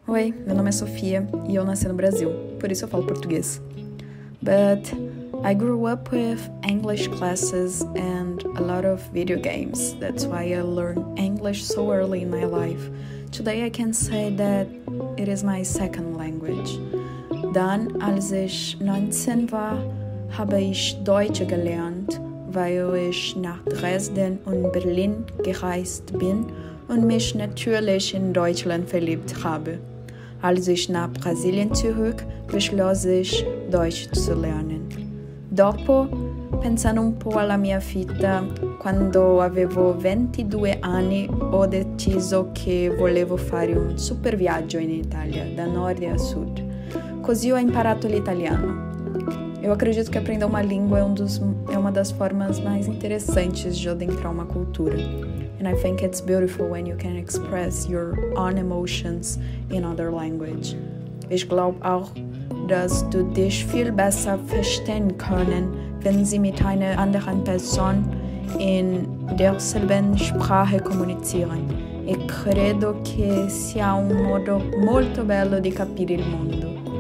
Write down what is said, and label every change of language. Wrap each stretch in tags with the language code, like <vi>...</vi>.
<pt>Oi, meu nome é Sofia e eu nasci no Brasil, por isso eu falo português.</pt> <en>But I grew up with English classes and a lot of video games. That's why I learned English so early in my life. Today I can say that it is my second language.</en> <de>Dann, als ich 19 war, habe ich Deutsch gelernt, weil ich nach Dresden und Berlin gereist bin und mich natürlich in Deutschland verliebt habe. Als ich nach Brasilien zurück, beschloss ich, Deutsch zu lernen.</de> <it>Dopo, pensando po' alla mia vita, quando avevo 22 anni, ho deciso che volevo fare un super viaggio in Italia, da nord a sud. Così ho imparato l'italiano.</it> <pt>Eu acredito que aprender uma língua é uma das formas mais interessantes de adentrar uma cultura.</pt> <en>And I think it's beautiful when you can express your own emotions in another language.</en> <de>Ich glaube auch, dass du dich viel besser verstehen können, wenn sie mit einer anderen Person in derselben Sprache kommunizieren. Ich</de> <it>credo che sia un modo molto bello di capire il mondo.</it>